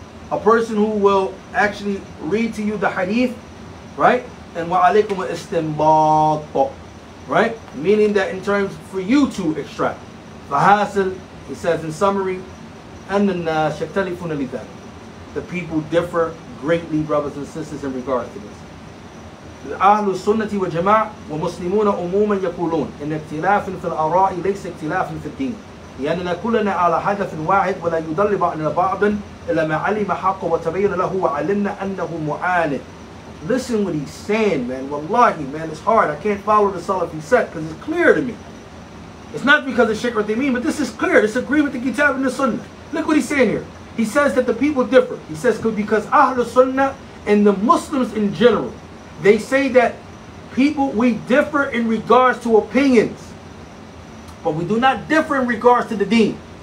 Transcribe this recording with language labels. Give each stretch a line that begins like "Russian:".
English: A person who will actually read to you the hadith, right? And
Arabic: wa alaykum al-istinbat,
English: right? Meaning that in terms for you to extract. Fahasil, he says in summary, and then
Arabic: shaktalifuna lidhalik.
English: The people differ greatly, brothers and sisters, in regards to this.
Arabic: أهل السنة والجماعة ومسلمون عموما يقولون إن اختلاف في الآراء ليس اختلاف في الدين لأننا كلنا على هدف واحد ولا يضل بعضنا بعضا إلا ما علم حقا وتبين له وعلمنا أنه معاند.
English: Listen what he's saying, man. Wallahi, man, it's hard. I can't follow the Salafi sect because it's clear to me. It's not because of Sheikh Uthaymeen, but this is clear. It's agreement with the Kitab and the Sunnah. Look what he's saying here. He says that the people differ. He says because أهل السنة and the Muslims in general, they say that people, we differ in regards to opinions, but we do not differ in regards to the deen.